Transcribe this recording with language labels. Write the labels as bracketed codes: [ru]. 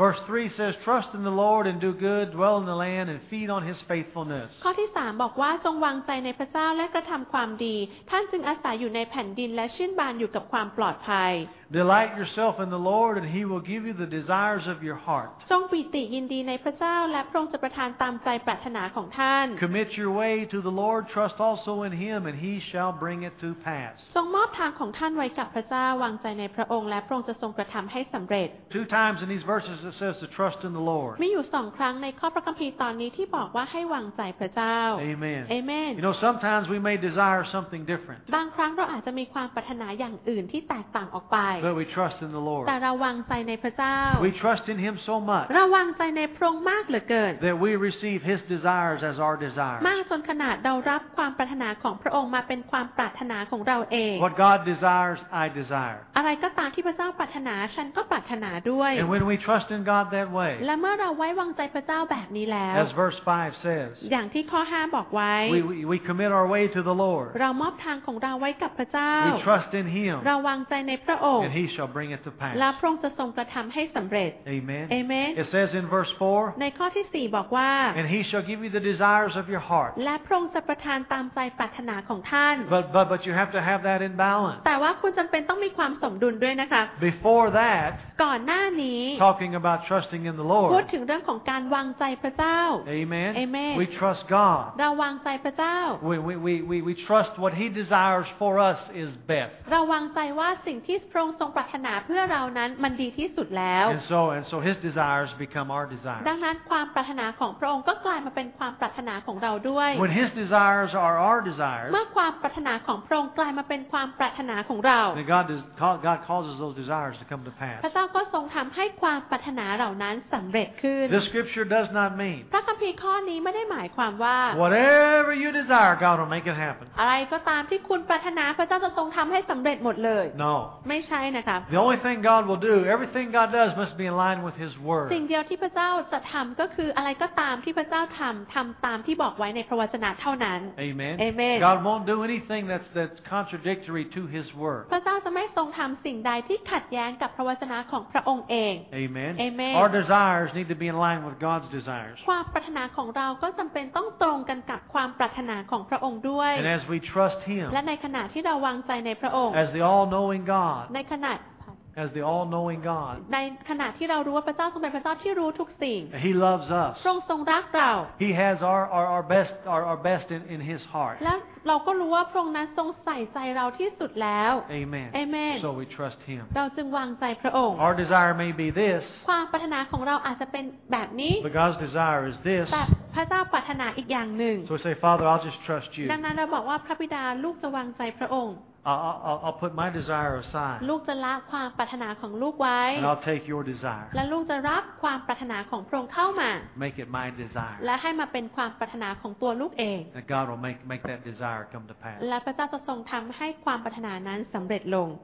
[en] Verse 3 says, "Trust in the Lord and do good. Dwell in the land and feed on His faithfulness." [th] ข้อที่3บอกว่าจงวางใจในพระเจ้าและกระทำความดีท่านจึงอาศัยอยู่ในแผ่นดินและชื่นบานอยู่กับความปลอดภัย [en] Delight yourself in the Lord, and He will give you the desires of your heart. [th] จงปิติยินดีในพระเจ้าและพระองค์จะประทานตามใจปรารถนาของท่าน [en] Commit your way to the Lord, trust also in Him, and He shall bring it to pass. [th] จงมอบทางของท่านไว้กับพระเจ้าวางใจในพระองค์และพระองค์จะทรงกระทำให้สำเร็จ [en] Two times in these verses it says to trust in the Lord. [th] มีอยู่สองครั้งในข้อพระคัมภีร์ตอนนี้ที่บอกว่าให้วางใจพระเจ้า [en] Amen. Amen. You know, sometimes we may desire something different. [th] บางครั้งเราอาจจะมีความปรารถนาอย่างอื่นที่แตกต่างออกไป [en] But we trust in the Lord. [th] แต่เราวางใจในพระเจ้า [en] We trust in Him so much. [th] เราวางใจในพระองค์มากเหลือเกิน [en] That we receive His desires as our desires. [th] มากจนขนาดเรารับความปรารถนาของพระองค์มาเป็นความปรารถนาของเราเอง [en] What God desires, I desire. [th] อะไรก็ตามที่พระเจ้าปรารถนาฉันก็ปรารถนาด้วย [en] And when we trust in God that way. [th] และเมื่อเราไว้วางใจพระเจ้าแบบนี้แล้ว [en] As verse 5 says. [th] อย่างที่ข้อ5บอกไว้ [en] We commit our way to the Lord. [th] เรามอบทางของเราไว้กับพระเจ้า [en] We trust in Him. [th] เราวางใจในพระองค์ [en] He shall bring it to pass. [th] และพระองค์จะทรงกระทำให้สำเร็จ [en] Amen. Amen. It says in verse 4. [th] ในข้อที่4บอกว่า [en] And He shall give you the desires of your heart. [th] และพระองค์จะประทานตามใจปรารถนาของท่าน [en] But you have to have that in balance. [th] แต่ว่าคุณจำเป็นต้องมีความสมดุลด้วยนะคะ [en] Before that. [th] ก่อนหน้านี้ [en] Talking about trusting in the Lord. [th] พูดถึงเรื่องของการวางใจพระเจ้า [en] Amen. Amen. We trust God. [th] เราวางใจพระเจ้า [en] We trust what He desires for us is best. [th] เราวางใจว่าสิ่งที่พระองค์ทรงปรารถนาเพื่อเรานั้นมันดีที่สุดแล้ว [en] and so his desires become our desires [th] ดังนั้นความปรารถนาของพระองค์ก็กลายมาเป็นความปรารถนาของเราด้วย [en] when his desires are our desires [th] เมื่อความปรารถนาของพระองค์กลายมาเป็นความปรารถนาของเรา [en] then God causes those desires to come to pass [th] พระเจ้าก็ทรงทำให้ความปรารถนาเหล่านั้นสำเร็จขึ้น [en] the scripture does not mean [th] พระคัมภีร์ข้อนี้ไม่ได้หมายความว่า [en] whatever you desire God will make it happen [th] อะไรก็ตามที่คุณปรารถนาพระเจ้าจะทรงทำให้สำเร็จหมดเลย [en] no [th] ไม่ใช่ [en] The only thing God will do, everything God does must be in line with His word. [th] สิ่งเดียวที่พระเจ้าจะทำก็คืออะไรก็ตามที่พระเจ้าทำตามที่บอกไว้ในพระวจนะเท่านั้น [en] Amen. Amen. God won't do anything that's contradictory to His word. [th] พระเจ้าจะไม่ทรงทำสิ่งใดที่ขัดแย้งกับพระวจนะของพระองค์เอง [en] Amen. Amen. Our desires need to be in line with God's desires. [th] ความปรารถนาของเราก็จำเป็นต้องตรงกันกับความปรารถนาของพระองค์ด้วย [en] And as we trust Him. [th] และในขณะที่เราวางใจในพระองค์ [en] As the all-knowing God. [th] ในขณะ [en] As the all-knowing God, [th] ในขณะที่เรารู้ว่าพระเจ้าทรงเป็นพระเจ้าที่รู้ทุกสิ่ง [en] He loves us. [th] ทรงรักเรา [en] He has our best in His heart. [th] และเราก็รู้ว่าพระองค์นั้นทรงใส่ใจเราที่สุดแล้ว [en] Amen. Amen. So we trust Him. [th] เราจึงวางใจพระองค์ [en] Our desire may be this. [th] ความปรารถนาของเราอาจจะเป็นแบบนี้ [en] But God's desire is this. [th] แต่พระเจ้าปรารถนาอีกอย่างหนึ่ง [en] So we say, Father, I'll just trust you. [th] ดังนั้นเราบอกว่าพระบิดาลูกจะวางใจพระองค์ [en] I'll put my desire aside. [th] ลูกจะละความปรารถนาของลูกไว้ [en] And I'll take your desire. [th] และลูกจะรับความปรารถนาของพระองค์เข้ามา [en] Make it my desire. [th] และให้มาเป็นความปรารถนาของตัวลูกเอง [en] And God will make that desire come to pass. [th] และพระเจ้าจะทรงทำให้ความปรารถนานั้นสำเร็จลง